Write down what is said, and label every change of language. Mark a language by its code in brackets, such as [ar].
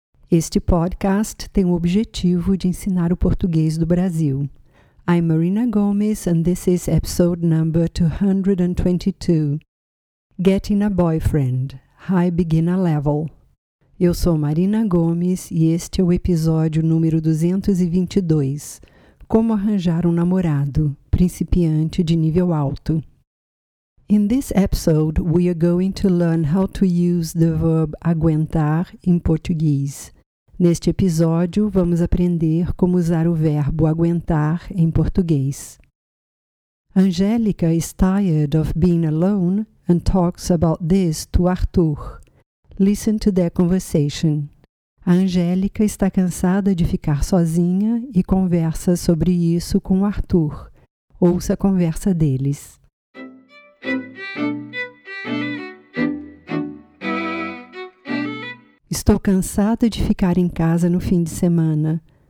[pt] Este podcast tem o objetivo de ensinar o português do Brasil. [en] I'm Marina Gomes and this is episode number 222. Getting a Boyfriend, High Beginner Level. [pt] Eu sou Marina Gomes e este é o episódio número 222. Como arranjar um namorado, principiante de nível alto. [en] In this episode, we are going to learn how to use the verb aguentar in Portuguese. [pt] Neste episódio, vamos aprender como usar o verbo aguentar em português. [en] Angélica is tired of being alone and talks about this to Arthur. Listen to their conversation. [pt] A Angélica está cansada de ficar sozinha e conversa sobre isso com o Arthur. Ouça a conversa deles. Estou cansada de ficar em casa no fim de semana.